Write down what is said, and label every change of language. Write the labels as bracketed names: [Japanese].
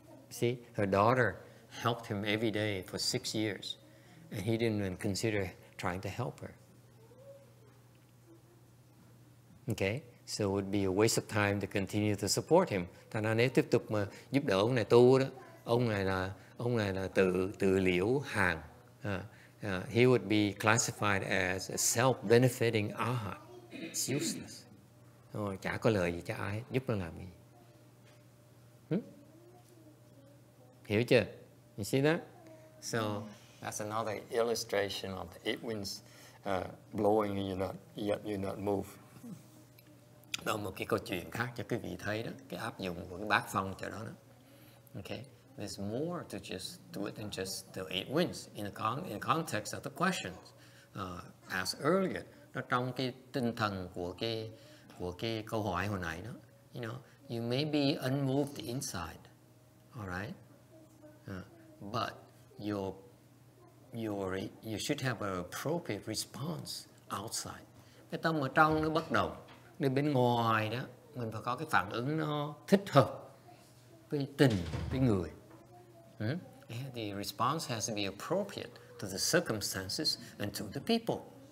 [English] See, her daughter helped him every day for 6 years and he didn't even consider trying to help her. Okay, so it would be a waste of time to continue to support him. [Vietnamese] Thành ra nếu tiếp tục mà giúp đỡ ông này tu đó, ông này là tự liễu hàng. [English] He would be classified as a self-benefiting arhat. It's useless. [Vietnamese] Chả có lời gì cho ai, giúp nó làm gì. Hiểu chưa? [English] You see that? So that's another illustration of the 8 winds blowing and you're not moved. [Vietnamese] Đó một cái câu chuyện khác cho quý vị thấy đó, cái áp dụng của cái bát phong cho đó đó. [English] Okay, there's more to just do it than just the 8 winds in the context of the questions asked earlier. [Vietnamese] Nó trong cái tinh thần của cái câu hỏi hồi nãy đó. [English] You know, you may be unmoved inside, all right, but you should have an appropriate response outside. [Vietnamese] Cái tâm ở trong nó bất động. Nên bên ngoài đó, mình phải có cái phản ứng nó thích hợp với tình, với người. [English] Yeah, the response has to be appropriate to the circumstances and to the people.